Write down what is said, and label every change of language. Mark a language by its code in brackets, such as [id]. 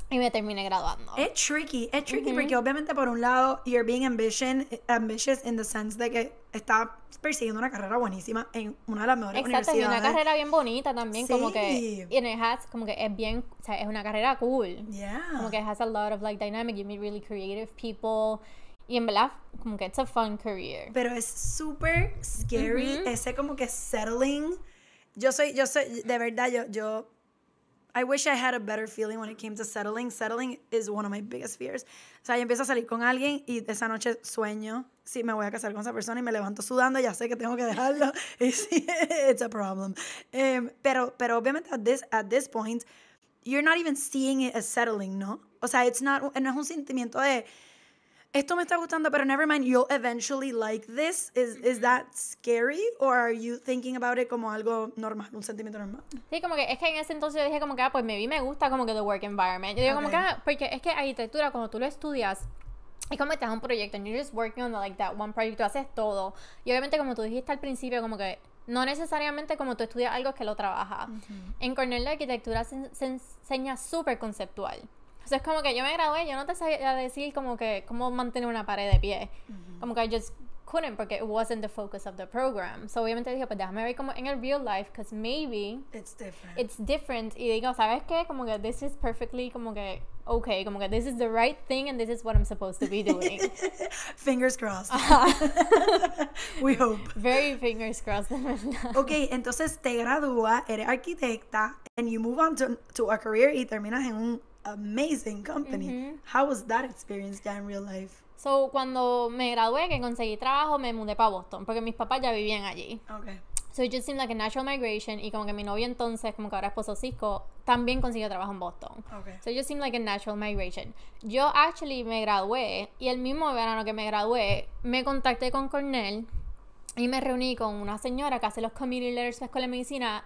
[es] Y me terminé graduando. Es tricky mm-hmm. porque obviamente por un lado [en] you're being ambitious in the sense [es] de que está persiguiendo una carrera buenísima en una de las mejores exacto, universidades. Exacto, y una carrera bien bonita también. Sí. Como que, y en el has, como que es bien, o sea, es una carrera cool. [en] Yeah. [es] Como que [en] has a lot of like dynamic, you meet really creative people. [es] Y en verdad, como que [en] it's a fun career. [es] Pero es super scary mm-hmm. ese como que settling. Yo soy, de verdad, yo, [en] I wish I had a better feeling when it came to settling. Settling is one of my biggest fears. [es] O sea, yo empiezo a salir con alguien y esa noche sueño, sí, me voy a casar con esa persona y me levanto sudando y ya sé que tengo que dejarlo. Y sí, [en] it's a problem. Pero obviamente, at this point, you're not even seeing it as settling, [es] ¿no? O sea, [en] it's not, [es] no es un sentimiento de, esto me está gustando, pero [en] never mind, you'll eventually like this. Is that scary? Or are you thinking about it [es] como algo normal, un sentimiento normal? Sí, como que es que en ese entonces yo dije como que, ah, pues maybe me gusta como que [en] the work environment. [es] Yo digo okay. Como que, ah, porque es que arquitectura, cuando tú lo estudias, es como que te das un proyecto [en] and you're just working on like that one project, [es] tú haces todo. Y obviamente como tú dijiste al principio, como que no necesariamente como tú estudias algo es que lo trabajas. Uh-huh. En Cornell de arquitectura se enseña súper conceptual. O sea, es como que yo me gradué, yo no te sabía decir como que cómo mantener una pared de pie. Mm-hmm. Como que [en] I just couldn't [es] porque [en] it wasn't the focus of the program. [es] So obviamente dije, pues déjame ver como en el [en] real life, because maybe it's different. [es] Y digo, ¿sabes qué? [en] Como que this is perfectly como que okay, como que this is the right thing and this is what I'm supposed to be doing. Fingers crossed. Uh-huh. We hope. Very fingers crossed. [es] Okay, entonces te gradúas, eres arquitecta, [en] and you move on to a career [es] y terminas en un [en] amazing company. [es] Mm-hmm. [en] How was that experience ya in real life? [es] So, cuando me gradué, que conseguí trabajo, me mudé para Boston, porque mis papás ya vivían allí. [en] Okay. So, it just seemed like a natural migration, [es] y como que mi novio entonces, como que ahora esposo Cisco, también consiguió trabajo en Boston. [en] Okay. So, it just seemed like a natural migration. [es] Yo, [en] actually, [es] me gradué, y el mismo verano que me gradué, me contacté con Cornell, y me reuní con una señora que hace los committee letters de la escuela de medicina.